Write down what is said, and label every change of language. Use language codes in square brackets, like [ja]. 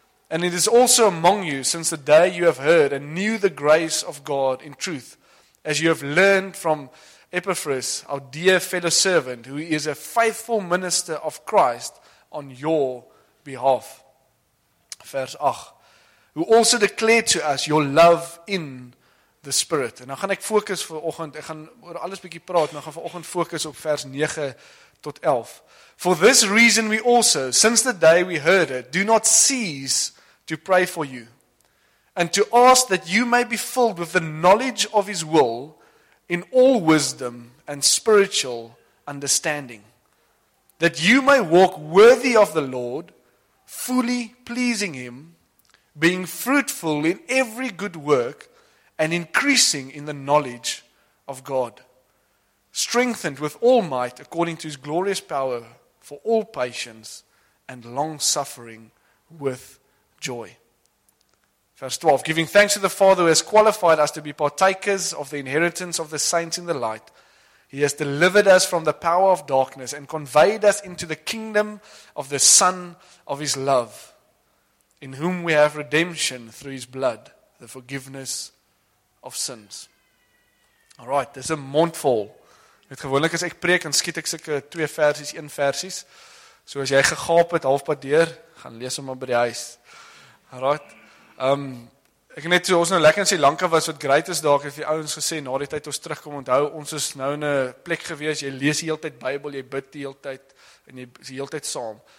[en] And it is also among you since the day you have heard and knew the grace of God in truth, as you have learned from Epaphras, our dear fellow servant, who is a faithful minister of Christ on your behalf. Verse 8. Who also declared to us your love in the Spirit. [af] En nou gaan ek fokus vir oggend, ek gaan oor alles bietjie praat, maar gaan vir oggend fokus op vers 9 tot 11. [en] For this reason we also, since the day we heard it, do not cease to pray for you, and to ask that you may be filled with the knowledge of His will in all wisdom and spiritual understanding, that you may walk worthy of the Lord, fully pleasing Him, being fruitful in every good work, and increasing in the knowledge of God, strengthened with all might according to His glorious power, for all patience and long-suffering with joy. Verse 12, giving thanks to the Father who has qualified us to be partakers of the inheritance of the saints in the light. He has delivered us from the power of darkness and conveyed us into the kingdom of the Son of His love, in whom we have redemption through His blood, the forgiveness of sins. All right, there's a mondful. [af] Het gewoonlik as ek preek, dan skiet ek sulke twee versies, een versies. So as jy gegaap het, halfpad deur, gaan lees hom maar by die huis. Right. Ek net toe, ons nou lekker in Sri Lanka was, wat great is daar, ek het vir die ouens gesê, na die tyd ons terugkom, onthou, ons is nou in 'n plek gewees, jy lees die hele tyd Bybel, jy bid die hele tyd, en jy is die hele tyd saam.